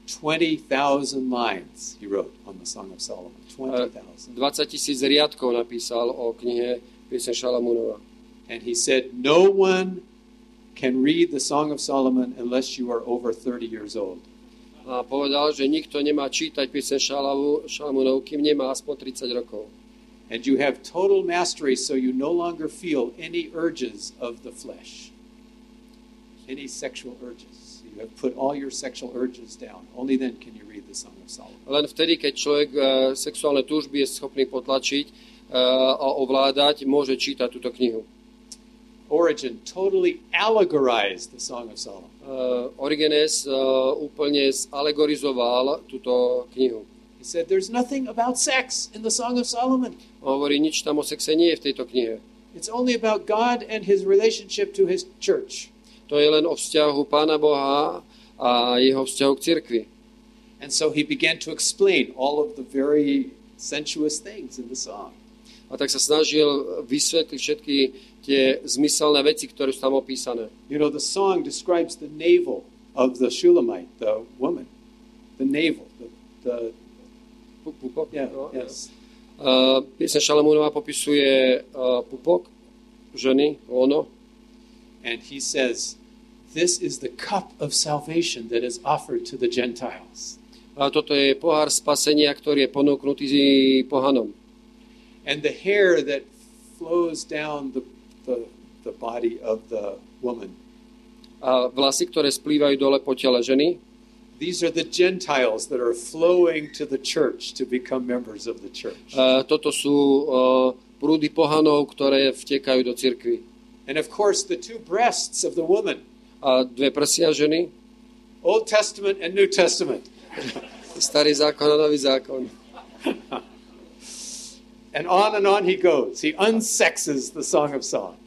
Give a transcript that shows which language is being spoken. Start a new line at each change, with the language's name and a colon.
English: 20,000 lines he wrote on the Song of Solomon. 20,000.
Slovak: 20 tisíc riadkov napísal o knihe Piesne Šalamúnova.
English: And he said, no one can read the Song of Solomon unless you are over 30 years old.
Slovak: A povedal, že nikto nemá čítať Piesne Šalamúnov, kým nemá aspoň 30 rokov.
English: And you have total mastery, so you no longer feel any urges of the flesh. Any sexual urges. You have put all your sexual urges down. Only then can you read the Song of Solomon.
Slovak: Len vtedy, keď človek sexuálne túžby je schopný potlačiť a ovládať, môže čítať túto knihu.
English: Origen totally allegorized the Song of Solomon.
Slovak: Origenes úplne zalegorizoval túto knihu.
English: He said there's nothing about sex in the Song of Solomon.
Slovak: Hovorí, nič tam o sexe nie je v tejto knihe.
English: It's only about God and his relationship to his church.
Slovak: To je len o vzťahu Pána Boha a jeho vzťahu k cirkvi.
English: And so he began to explain all of the very sensuous things in the song.
Slovak: A tak sa snažil vysvetliť všetky tie zmyselné veci, ktoré sú tam opísané.
English: You know, the song describes the navel of the Shulamite, the woman. The navel, the
Slovak: pupok.
English: Yeah, yes.
Slovak: Piesne Šalamúnova popisuje pupok ženy, lono.
English: And he says, this is the cup of salvation that is offered to the Gentiles.
Slovak: A toto je pohár spasenia, ktorý je ponúknutý pohanom.
English: And the hair that flows down the body of the woman.
Slovak: A vlasy, ktoré splývajú dole po tele ženy.
English: These are the Gentiles that are flowing to the church to become members of the church.
Slovak: Toto sú prúdy pohanov, ktoré vtekajú do cirkvi.
English: And of course the two breasts of the woman.
Slovak: A dve prsia ženy.
English: Old Testament and New Testament.
Slovak: Starý zákon a nový zákon.
English: And on he goes. He unsexes the Song of Songs.